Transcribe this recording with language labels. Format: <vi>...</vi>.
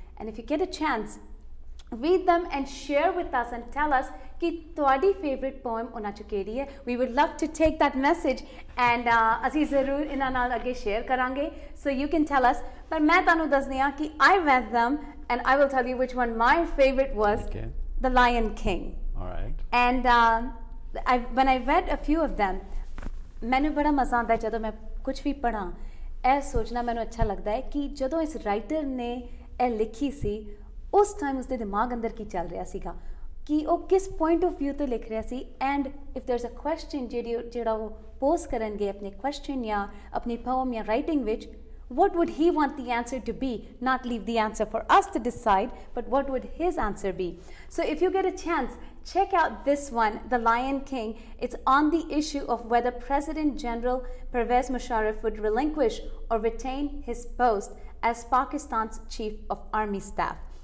<en>And if you get a chance, read them and share with us and tell us</en> <pa>ki tuhadi favorite poem unna chu kehdi hai.</pa> <en>We would love to take that message and</en> <pa>assi zarur inna naal agge share karange.</pa> <en>So you can tell us.</en> <pa>Par main tuhanu dasdi haan ki</pa> <en>I read them and I will tell you which one my favorite was. Okay. The Lion King. All right. And When I read a few of them,</en> <pa>ਮੈਨੂੰ ਬੜਾ ਮਜ਼ਾ ਆਉਂਦਾ ਜਦੋਂ ਮੈਂ ਕੁਛ ਵੀ ਪੜ੍ਹਾਂ ਇਹ ਸੋਚਣਾ ਮੈਨੂੰ ਅੱਛਾ ਲੱਗਦਾ ਹੈ ਕਿ ਜਦੋਂ ਇਸ ਰਾਈਟਰ ਨੇ ਇਹ ਲਿਖੀ ਸੀ ਉਸ ਟਾਈਮ ਉਸਦੇ ਦਿਮਾਗ ਅੰਦਰ ਕੀ ਚੱਲ ਰਿਹਾ ਸੀਗਾ ਕਿ ਉਹ ਕਿਸ ਪੁਆਇੰਟ ਆਫ ਵਿਊ ਤੋਂ ਲਿਖ ਰਿਹਾ ਸੀ</pa> <en>and if there is a question</en> <pa>ਜਿਹੜੀ ਜਿਹੜਾ ਉਹ ਪੋਸਟ ਕਰਨਗੇ ਆਪਣੇ ਕੁਐਸਚਨ ਜਾਂ ਆਪਣੀ ਪੋਅਮ ਜਾਂ ਰਾਈਟਿੰਗ ਵਿੱਚ</pa> <en>What would he want the answer to be? Not leave the answer for us to decide, but what would his answer be? So if you get a chance, check out this one, The Lion King. It's on the issue of whether President General Pervez Musharraf would relinquish or retain his post as Pakistan's Chief of Army Staff.</en>